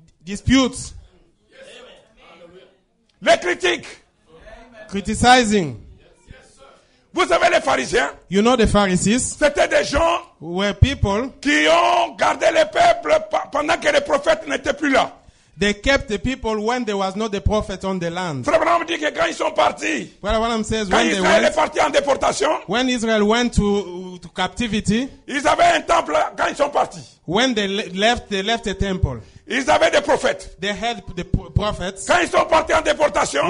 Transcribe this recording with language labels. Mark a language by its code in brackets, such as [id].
[en] Disputes. [fr] Les critiques. [en] Amen. Criticizing. [fr] Vous savez les pharisiens? [en] You know the Pharisees? [fr] C'était des gens [en] were people [fr] qui ont gardé le peuple pendant que les prophètes n'étaient plus là. [en] They kept the people when there was not the prophet on the land. [fr] Frère Branham dit que quand ils sont partis, [en] well, what I'm saying is [fr] quand [en] when [fr] Israël [en] they went, [fr] est parti en déportation, [en] when Israel went to captivity, [fr] ils avaient un temple quand ils sont partis. [en] When they left a temple. [fr] Ils avaient des prophètes. [en] They had the prophets. [fr] Quand ils sont partis en déportation.